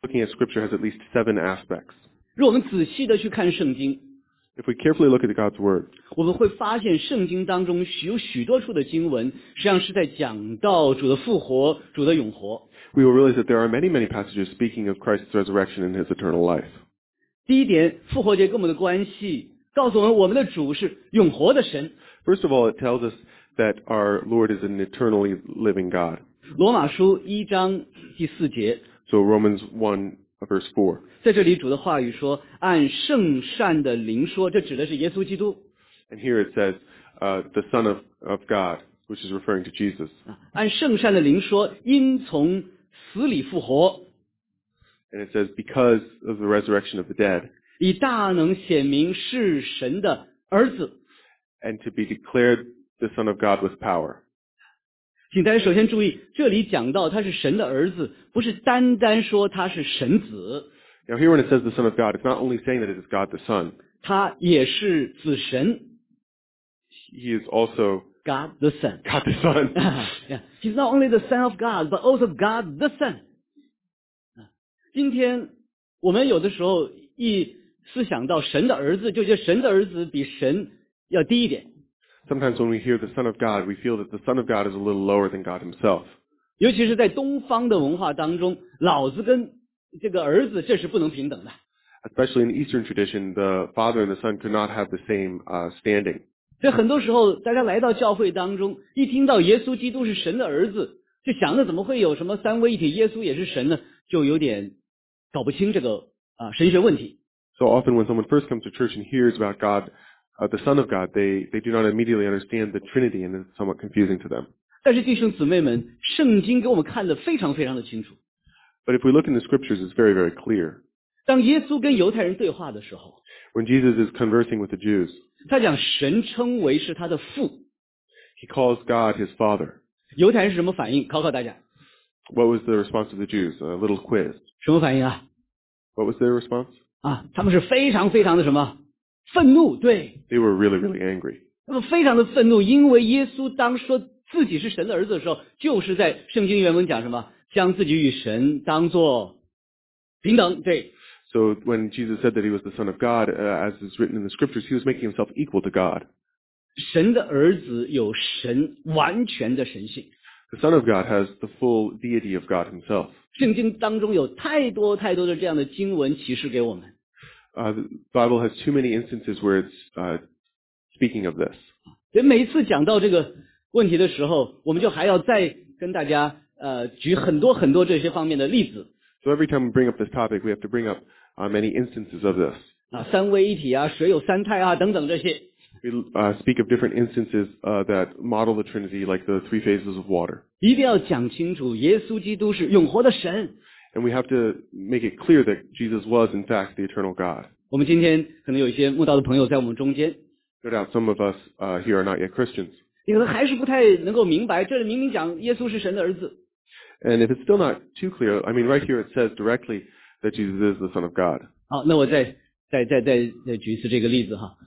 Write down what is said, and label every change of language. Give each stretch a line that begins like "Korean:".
English: looking at scripture has at least seven aspects.
Chinese: 如果我们仔细地去看圣经，
English: If we carefully look at God's word,
Chinese: 我们会发现圣经当中有许多处的经文实际上是在讲到主的复活、主的永活。
English: We will realize that there are many, many passages speaking of Christ's resurrection and his eternal life.
Chinese: 第一点，复活节跟我们的关系告诉我们我们的主是永活的神。
English: First of all, it tells us that our Lord is an eternally living God.
Chinese: 罗马书一章第四节。
English: So Romans 1, verse 4.
Chinese: 在这里主的话语说按圣善的灵说这指的是耶稣基督。
English: And here it says, the Son of God, which is referring to Jesus.
Chinese: 按圣善的灵说因从死里复活。
English: And it says, because of the resurrection of the dead.
Chinese: 以大能显明是神的儿子。
English: And to be declared the Son of God with power.
Chinese: 请大家首先注意这里讲到他是神的儿子不是单单说他是神子。
English: Now here when it says the Son of God, it's not only saying that it is God the Son.
Chinese: 他也是子神。
English: He is also God the Son. God the Son. Yeah. He's not only the Son of God, but also God the Son.
Chinese: 今天我们有的时候一思想到神的儿子就觉得神的儿子比神要低一点。
English: Sometimes when we hear the Son of God, we feel that the Son of God is a little lower than God himself.
Chinese: 尤其是在东方的文化当中，老子跟这个儿子，这是不能平等的。
English: Especially in the Eastern tradition, the father and the son could not have the same standing.
Chinese: 所以很多时候，大家来到教会当中，一听到耶稣基督是神的儿子，就想着怎么会有什么三位一体，耶稣也是神呢？就有点搞不清这个神学问题。
English: So often when someone first comes to church and hears about God,the Son of God, they do not immediately understand the Trinity and it's somewhat confusing to them.
Chinese: 但是弟兄姊妹们圣经给我们看得非常非常的清楚。
English: But if we look in the scriptures, it's very, very clear.
Chinese: 当耶稣跟犹太人对话的时候
English: When Jesus is conversing with the Jews,
Chinese: 他讲神称为是他的父。
English: He calls God his father.
Chinese: 犹太人是什么反应考考大家。
English: What was the response of the Jews? A little quiz.
Chinese: 什么反应啊
English: What was their response?
Chinese: 啊他们是非常非常的什么愤怒对
English: They were really, really angry.
Chinese: 他们非常的愤怒因为耶稣当说自己是神的儿子的时候就是在圣经原文讲什么将自己与神当作平等对
English: So when Jesus said that he was the son of God, as is written in the scriptures, he was making himself equal to God.
Chinese: 神的儿子有神完全的神性
English: The son of God has the full deity of God himself.
Chinese: 圣经当中有太多太多的这样的经文启示给我们
English: The Bible has too many instances where it's speaking of this.
Chinese: 对每一次讲到这个问题的时候我们就还要再跟大家举很多很多这些方面的例子。
English: So every time we bring up this topic, we have to bring up many instances of this.
Chinese: 三位一体啊谁有三态啊等等这些。
English: We speak of different instances that model the Trinity like the three phases of water.
Chinese: 一定要讲清楚耶稣基督是永活的神。
English: And we have to make it clear that Jesus was, in fact, the eternal God.
Chinese: 我们今天可能有一些慕道的朋友在我们中间。
English: No doubt some of us here are not yet Christians.
Chinese: 你可能还是不太能够明白，这里明明讲耶稣是神的儿子。
English: And if it's still not too clear, I mean, right here it says directly that Jesus is the Son of God.
Chinese: 好，那我再举一次这个例子哈。